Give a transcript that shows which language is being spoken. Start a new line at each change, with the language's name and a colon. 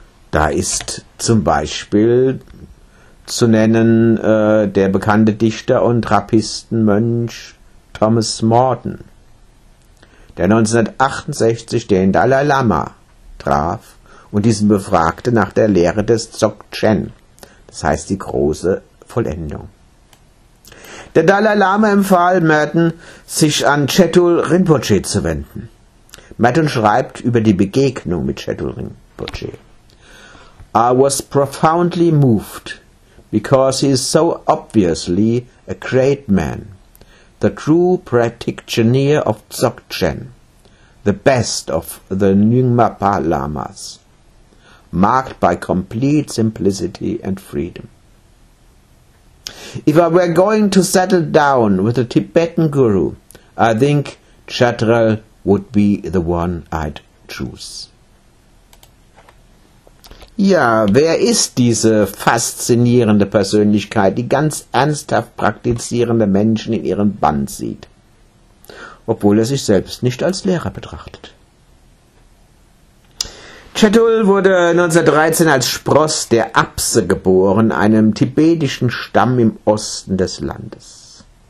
German: Da ist zum Beispiel zu nennen der bekannte Dichter und Trappistenmönch Thomas Merton, der 1968 den Dalai Lama traf und diesen befragte nach der Lehre des Dzogchen, das heißt die große Vollendung. Der Dalai Lama empfahl Merton, sich an Chetul Rinpoche zu wenden. Merton schreibt über die Begegnung mit Chetul Rinpoche.
English: I was profoundly moved, because he is so obviously a great man, the true practitioner of Dzogchen, the best of the Nyingma Lamas, marked by complete simplicity and freedom. If I were going to settle down with a Tibetan guru, I think Chatrel would be the one I'd choose.
German: Ja, wer ist diese faszinierende Persönlichkeit, die ganz ernsthaft praktizierende Menschen in ihren Bann zieht, obwohl er sich selbst nicht als Lehrer betrachtet? Chetul wurde 1913 als Spross der Apse geboren, einem tibetischen Stamm im Osten des Landes.